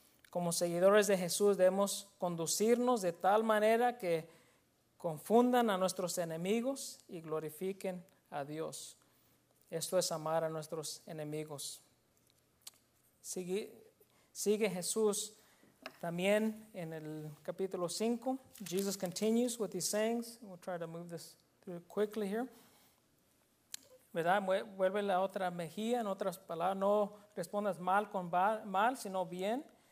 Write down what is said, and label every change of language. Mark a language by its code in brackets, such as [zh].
[es] Como seguidores de Jesús debemos conducirnos de tal manera que confundan a nuestros enemigos y glorifiquen a Dios. Esto es amar a nuestros enemigos. Sigue Jesús también en el capítulo 5. [en] Jesus continues with his sayings. We'll try to move this through quickly here. [es] ¿Verdad? Vuelve la otra mejilla. En otras palabras, no respondas mal con mal, sino bien.